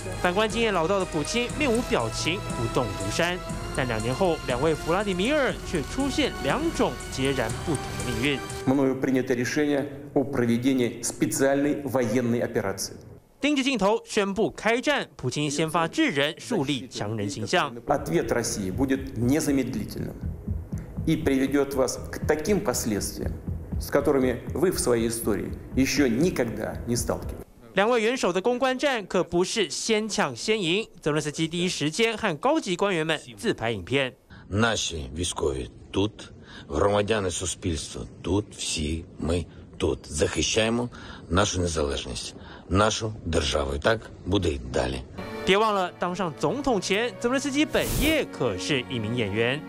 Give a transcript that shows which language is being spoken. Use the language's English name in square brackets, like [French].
[Chinese] 反观经验老道的普京，面无表情，不动如山。但两年后，两位弗拉迪米尔却出现两种截然不同的命运。 [Russian] мною принято решение о проведении специальной военной операции。 [Chinese] 盯着镜头宣布开战，普京先发制人，树立强人形象。 [Russian] ответ России будет незамедлительным и приведет вас к таким последствиям, с которыми вы в своей истории еще никогда не сталкивались。 [Chinese] 两位元首的公关战可不是先抢先赢。泽伦斯基第一时间和高级官员们自拍影片。 [Ukrainian] Наши військові тут, громадяни суспільства тут, всі ми тут захищаємо нашу незалежність, нашу державу. Так буде й далі。 [Chinese] 别忘了，当上总统前，泽伦斯基本业可是一名演员。